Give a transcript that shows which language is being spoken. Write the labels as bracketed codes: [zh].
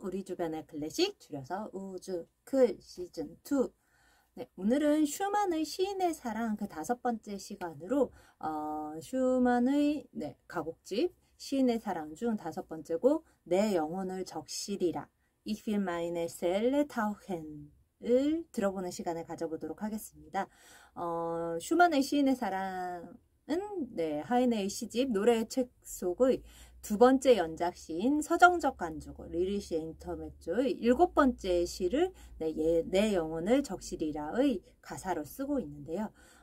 [ko] 우리 주변의 클래식, 줄여서 우주, 클, 시즌2. 네, 오늘은 슈만의 시인의 사랑 그 다섯 번째 시간으로, 슈만의, 네, 가곡집, 시인의 사랑 중 다섯 번째 곡, 내 영혼을 적시리라. [de] Ich will meine Seele tauchen. [ko] 을 들어보는 시간을 가져보도록 하겠습니다. 슈만의 시인의 사랑은, 네, 하인의 시집, 노래 책 속의 두 번째 연작 시인 서정적 간주곡 리리시 인터메조의 일곱 번째 시를 내 영혼을 적시리라의 가사로 쓰고 있는데요.